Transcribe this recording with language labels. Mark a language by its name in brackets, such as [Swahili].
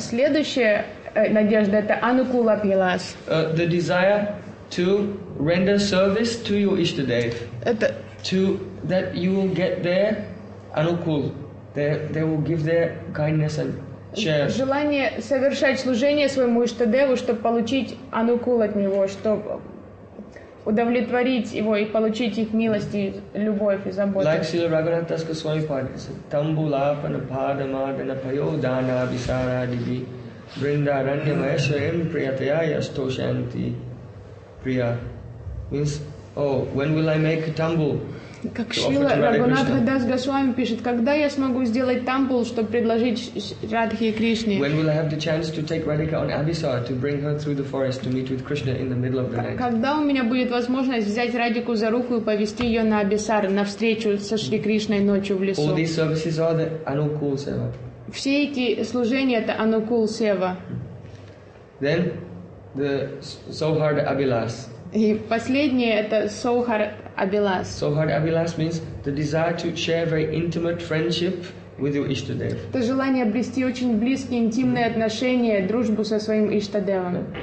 [Russian] Следующая надежда — это Anukul Abhilas. [English] The desire to render service to your Ishtadev. [Russian] Это [English] to that you will get their anukul. They will give their kindness and share. [Russian] Желание совершать служение своему Ishtadevu, чтобы получить анукул от него, чтобы удовлетворить его и получить их милость и любовь и заботу. [English] Like Srila Raghunath Das Goswami says, [Sanskrit] Tambulapana Padamadana Payodana Abhisara Divi Brinda Aranya Mayasvayam Priyataya Yasto Shanti Priya. [English] Means, oh, when will I make a tambul? [Russian] Как Шрила Рагунатха Дас Госвами пишет, когда я смогу сделать тамбул, чтобы предложить Радхе и Кришне? [English] When will I have the chance to take Radhika on Abhisar to bring her through the forest to meet with Krishna in the middle of the night? [Russian] Когда у меня будет возможность взять Радику за руку и повести ее на Абисар, на встречу со Шри Кришной ночью в лесу? [English] All these services are the Anukul Seva. [Russian] Все эти служения — это Anukul Seva. [English] Then the Sohard Abhilas. [Russian] И последнее это Sohard Abhilas. [English] Sohard Abhilas means the desire to share very intimate friendship with your Ishtadev. [Russian] Это желание обрести очень близкие, интимные отношения, дружбу со своим Ishtadevом.